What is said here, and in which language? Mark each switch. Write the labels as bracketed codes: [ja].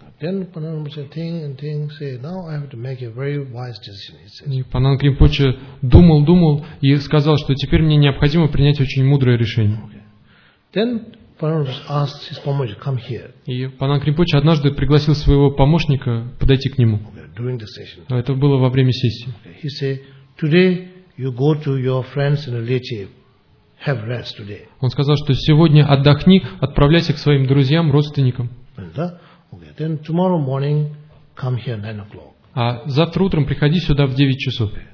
[en] Then Panang Rinpoche think and think, say, now I have to make a very wise decision. [ru] И Панан Кримпоче думал, думал и сказал, что теперь мне необходимо принять очень мудрое решение. [en] Then Panang Rinpoche asked his [ru] помощник, [en] come here. [ru] И Панан Кримпоче однажды пригласил своего помощника подойти к нему. [en] During the session. [ru] Это было во время сессии. [en] He said, today you go to your friends and relatives. Have rest today. [ru] Он сказал, что сегодня отдохни, отправляйся к своим друзьям, родственникам. [en] Then tomorrow morning, come here 9 o'clock. А завтра утром приходи сюда в 9 часов.